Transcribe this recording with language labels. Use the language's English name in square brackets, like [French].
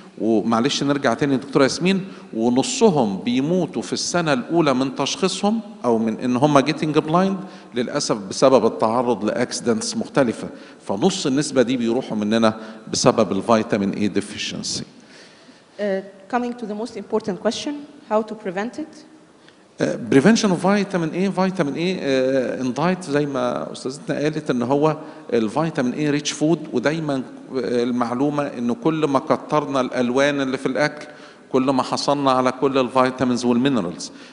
[Arabic] ومعلش نرجع تاني دكتورة ياسمين، ونصهم بيموتوا في السنة الأولى من تشخيصهم أو من إن هما [English] getting blind [Arabic] للأسف بسبب التعرض لأكسيدنتس مختلفة، فنص النسبة دي بيروحوا مننا بسبب الفيتامين اي ديفيشنسي. [English] Coming to the most important question, how to prevent it? Prevention of vitamin A. Vitamin A in diet, [Arabic] زي ما أستاذتنا قالت إن هو الفيتامين [English] A rich food، [Arabic] ودايما المعلومة إنه كل ما كترنا الألوان اللي في الأكل كل ما حصلنا على كل الفيتامينز والمينرالز.